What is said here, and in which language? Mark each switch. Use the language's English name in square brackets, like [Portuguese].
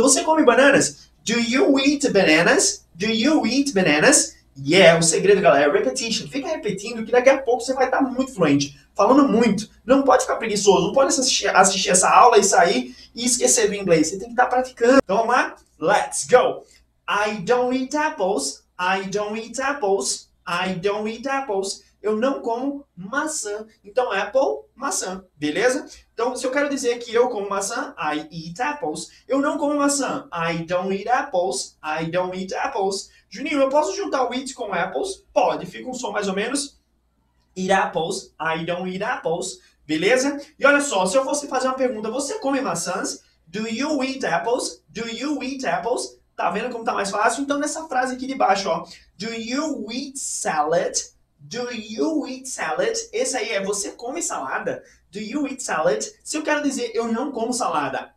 [Portuguese] Você come bananas? [English] Do you eat bananas? Do you eat bananas? [Portuguese] Yeah, o segredo, galera, é repetition. Fica repetindo que daqui a pouco você vai estar muito fluente. Falando muito, não pode ficar preguiçoso, não pode assistir essa aula e sair e esquecer do inglês. Você tem que estar praticando. Então vamos lá? [English] Let's go! I don't eat apples, I don't eat apples, I don't eat apples. [Portuguese] Eu não como maçã. Então apple, maçã, beleza? Então se eu quero dizer que eu como maçã, [English] I eat apples. [Portuguese] Eu não como maçã, [English] I don't eat apples, I don't eat apples. [Portuguese] Juninho, eu posso juntar o eat com apples? Pode, fica um som mais ou menos. [English] Eat apples, I don't eat apples, beleza? [Portuguese] E olha só, se eu fosse fazer uma pergunta, você come maçãs? [English] Do you eat apples? Do you eat apples? [Portuguese] Tá vendo como tá mais fácil? Então nessa frase aqui de baixo, ó. [English] Do you eat salad? Do you eat salad? [Portuguese] Esse aí é, você come salada? [English] Do you eat salad? [Portuguese] Se eu quero dizer, eu não como salada.